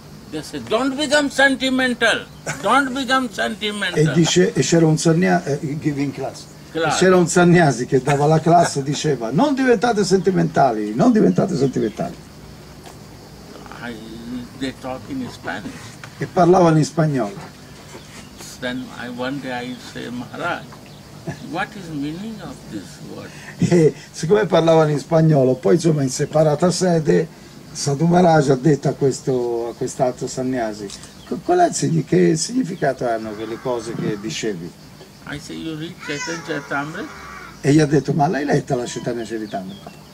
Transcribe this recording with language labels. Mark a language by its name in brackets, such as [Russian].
[English] They said, don't become sentimental, don't become sentimental. [Italian] E dice, e c'era un sannyasi, [English] giving class. [Italian] E c'era un sannyasi che dava la classe e diceva, non diventate sentimentali, non diventate sentimentali. [English] They talk in Spanish. [Italian] E parlavano in spagnolo. [English] Then one day I say, Maharaj, what is the meaning of this word? [Italian] E siccome parlavano in spagnolo, poi insomma in separata sede, Sadhu Maharaj ha detto a quest'altro sannyasi, qual è che significato hanno quelle cose che dicevi? [English] I say you read Chaitanya Charitamrita. [Italian] E gli ha detto, ma l'hai letta la Chaitanya Charitamrita?